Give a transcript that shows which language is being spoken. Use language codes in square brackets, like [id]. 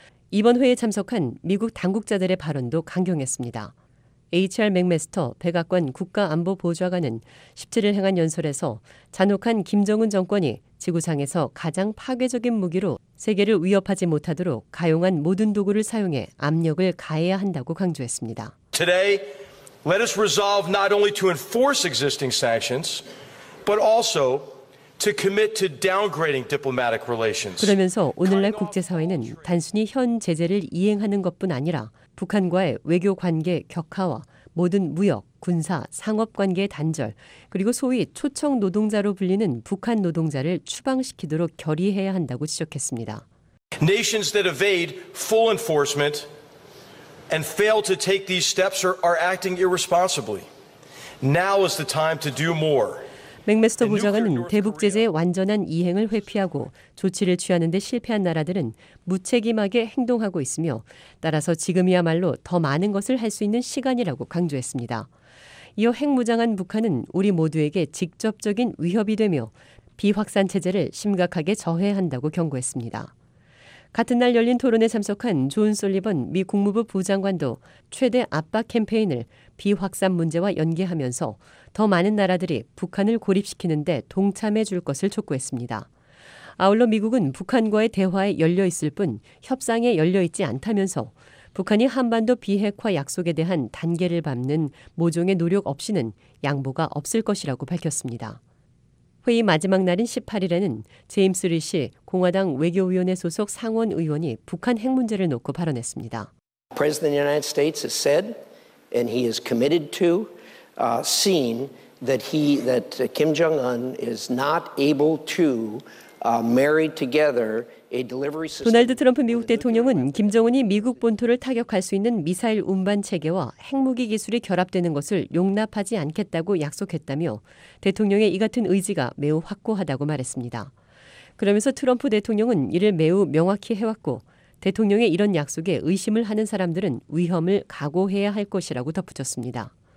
[ko] 이번 회의에 참석한 미국 당국자들의 발언도 강경했습니다. H.R. 맥메스터 백악관 국가안보보좌관은 17일 행한 연설에서 잔혹한 김정은 정권이 지구상에서 가장 파괴적인 무기로 세계를 위협하지 못하도록 가용한 모든 도구를 사용해 압력을 가해야 한다고 강조했습니다. [en] Today, let us resolve not only to enforce existing sanctions, but also to commit to downgrading diplomatic relations. [ko] 그러면서 오늘날 국제사회는 단순히 현 제재를 이행하는 것뿐 아니라 북한과의 외교 관계 격화와 모든 무역, 군사, 상업 관계 단절, 그리고 소위 초청 노동자로 불리는 북한 노동자를 추방시키도록 결의해야 한다고 지적했습니다. [en] Nations that evade full enforcement and fail to take these steps are acting irresponsibly. Now is the time to do more. [ko] 맥메스터 부장은 대북 제재의 완전한 이행을 회피하고 조치를 취하는 데 실패한 나라들은 무책임하게 행동하고 있으며 따라서 지금이야말로 더 많은 것을 할 수 있는 시간이라고 강조했습니다. 이어 핵무장한 북한은 우리 모두에게 직접적인 위협이 되며 비확산 체제를 심각하게 저해한다고 경고했습니다. 같은 날 열린 토론에 참석한 존 솔리번 미 국무부 부장관도 최대 압박 캠페인을 비확산 문제와 연계하면서 더 많은 나라들이 북한을 고립시키는 데 동참해 줄 것을 촉구했습니다. 아울러 미국은 북한과의 대화에 열려 있을 뿐 협상에 열려 있지 않다면서 북한이 한반도 비핵화 약속에 대한 단계를 밟는 모종의 노력 없이는 양보가 없을 것이라고 밝혔습니다. 회의 마지막 날인 18일에는 제임스 리시 공화당 외교위원회 소속 상원 의원이 북한 핵 문제를 놓고 발언했습니다. [en] President of the United States has said and he is committed to seeing that Kim Jong Un is not able to marry together [ko] 도널드 트럼프 미국 대통령은 김정은이 미국 본토를 타격할 수 있는 미사일 운반 체계와 핵무기 기술이 결합되는 것을 용납하지 않겠다고 약속했다며 대통령의 이 같은 의지가 매우 확고하다고 말했습니다. 그러면서 트럼프 대통령은 이를 매우 명확히 해왔고 대통령의 이런 약속에 의심을 하는 사람들은 위험을 각오해야 할 것이라고 덧붙였습니다.